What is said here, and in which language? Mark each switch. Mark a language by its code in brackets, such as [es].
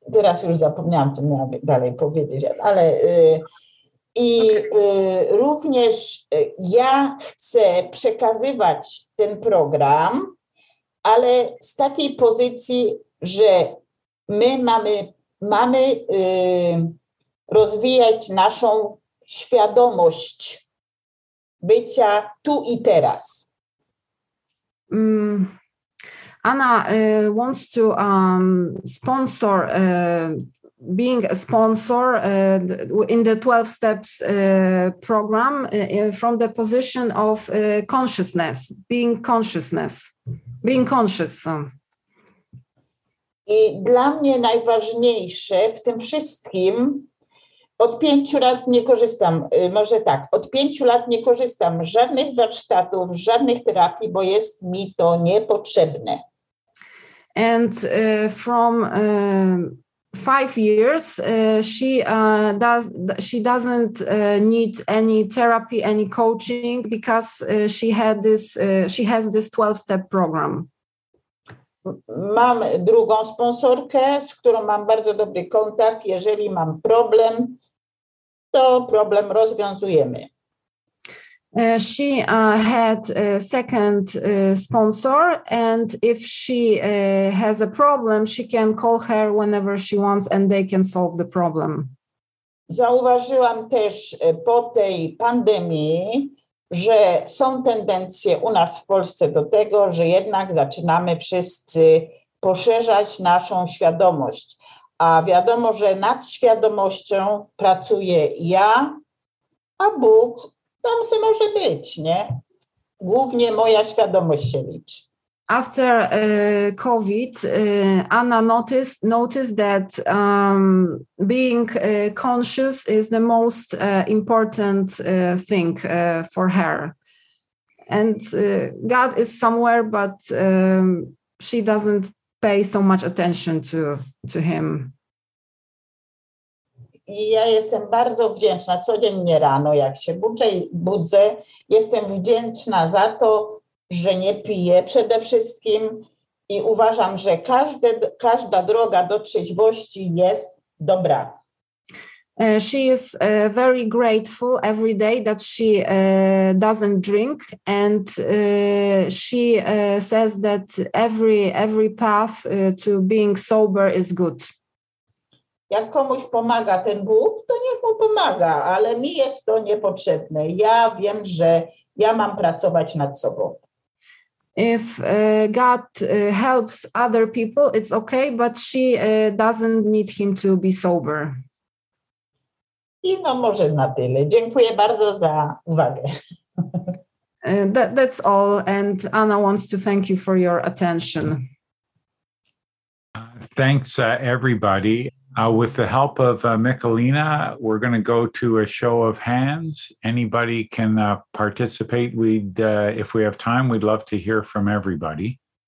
[pl] Teraz już zapomniałam, co miałam dalej powiedzieć, ale... I również ja chcę przekazywać ten program, ale z takiej pozycji, że my mamy rozwijać naszą świadomość bycia tu i teraz. [en] Anna wants to sponsor being a sponsor in the 12 steps program from the position of consciousness, being conscious. [pl] I dla mnie najważniejsze w tym wszystkim, od 5 lat nie korzystam, może tak, od 5 lat nie korzystam z żadnych warsztatów, żadnych terapii, bo jest mi to niepotrzebne. [en] And from 5 years, she doesn't need any therapy, any coaching, because she has this 12-step program. [pl] Mam drugą sponsorkę, z którą mam bardzo dobry kontakt. Jeżeli mam problem, to problem rozwiązujemy. [en] She had a second sponsor, and if she has a problem, she can call her whenever she wants and they can solve the problem. [pl] Zauważyłam też po tej pandemii, że są tendencje u nas w Polsce do tego, że jednak zaczynamy wszyscy poszerzać naszą świadomość. A wiadomo, że nad świadomością pracuje ja, a Bóg tam se może być, nie? Głównie moja świadomość się liczy. [en] After COVID, Anna noticed that being conscious is the most important thing for her. And God is somewhere, but she doesn't pay so much attention to him. [pl] Ja jestem bardzo wdzięczna codziennie rano, jak się budzę, jestem wdzięczna za to, że nie piję przede wszystkim i uważam, że każda droga do trzeźwości jest dobra. [en] She is very grateful every day that she doesn't drink, and she says that every path to being sober is good. [pl] Jak komuś pomaga ten Bóg, to niech mu pomaga, ale mi jest to niepotrzebne. Ja wiem, że ja mam pracować nad sobą. [en] If God helps other people, it's okay, but she doesn't need him to be sober. [pl] I no może na tyle. Dziękuję bardzo za uwagę. [en] That's all, and Anna wants to thank you for your attention. Thanks, everybody. With the help of Michalina, we're going to go to a show of hands. Anybody can participate. If we have time, we'd love to hear from everybody.